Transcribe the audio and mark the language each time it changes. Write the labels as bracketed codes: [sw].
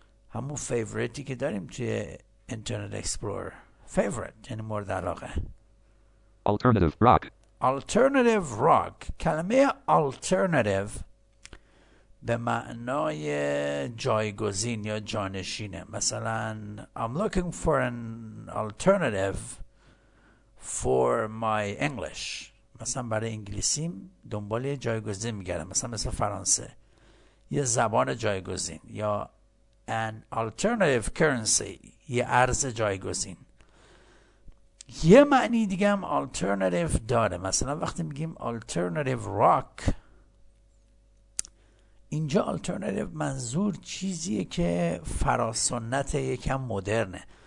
[fa] همون favoriteی که داریم توی Internet Explorer. Favorite, یعنی مورد علاقه. [en] Alternative rock. Alternative rock. Kalame alternative. [fa] به معنای جایگزین یا جانشینه. [en] مثلا I'm looking for an alternative for my English. [fa] مثلا برای انگلیسیم دنبال یه جایگزین میگردم. مثلا فرانسه. یه زبان جایگزین یا [en] an alternative currency. [fa] یه ارز جایگزین. یه معنی دیگه هم alternative داره. مثلا وقتی میگیم alternative rock، اینجا alternative منظور چیزیه که فراسنت یکم مدرنه.